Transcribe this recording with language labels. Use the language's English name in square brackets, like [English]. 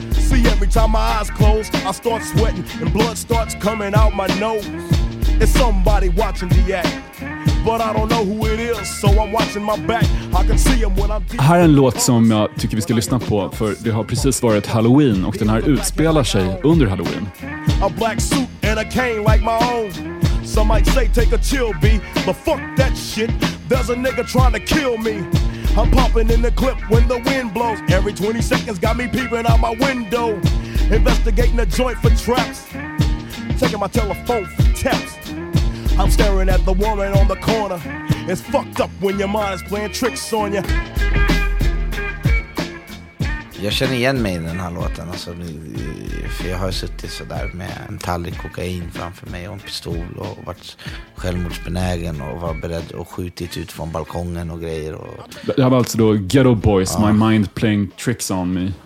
[English] See every time my eyes close, I start sweating and blood starts coming out my nose. It's somebody watching the act. but I don't know who it is, so I'm watching my back. I can see him when I'm deep. [Swedish] Här är en låt som jag tycker vi ska lyssna på, för det har precis varit Halloween och den här utspelar sig under Halloween. [English] A black suit and a cane like my own. Some might say take a chill B, but fuck that shit. There's a nigga trying to kill me. I'm popping in the clip when the wind blows. Every 20 seconds got me peeping out my window. Investigating a joint for traps. Taking my telephone for taps. I'm staring at the woman on the corner. It's fucked up when your mind is playing tricks on you. [Swedish] Jag känner igen mig i den här låten, alltså, för jag har suttit så där med en tallrik kokain framför mig och en pistol och varit självmordsbenägen och var beredd och skjutit ut från balkongen och grejer. Och det här var alltså då Ghetto Boys, ja. [English] My mind playing tricks on me.